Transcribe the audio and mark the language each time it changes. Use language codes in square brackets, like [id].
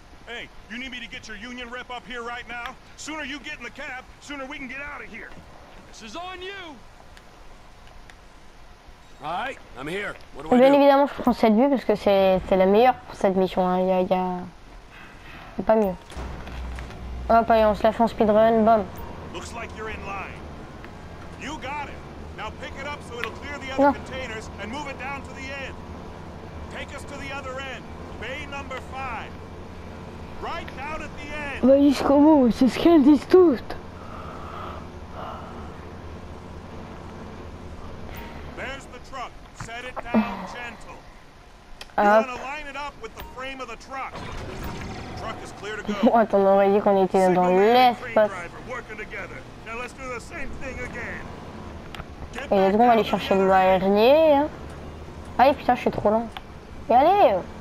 [en] Hey, you need me to get your union rep up here right now? Sooner you get in the cab, sooner we can get out of here. This is on you. Alright, I'm here. What do I do? [fr] Bien évidemment, je prends cette vue parce que c'est la meilleure pour cette mission. Hein. Y a pas mieux. Hop, allez, on se la fait en speedrun, bam. [en] Looks like you're in line. You got it. Now pick it up so it'll clear the other containers and move it down to the end. Take us to the other end, bay number 5. Right down at the end. [fr] Bah jusqu'au bout, c'est ce qu'elles disent toutes. [en] There's the truck. Set it down gentle. You want to line it up with the frame of the truck. The truck is clear to go. [fr] Attends, on aurait dit qu'on était dans l'espace. [en] Working together. Now let's do the same thing again. [fr] Et [en] let's go, [fr] on va aller chercher le dernier. Allez, putain, je suis trop lent. Et allez!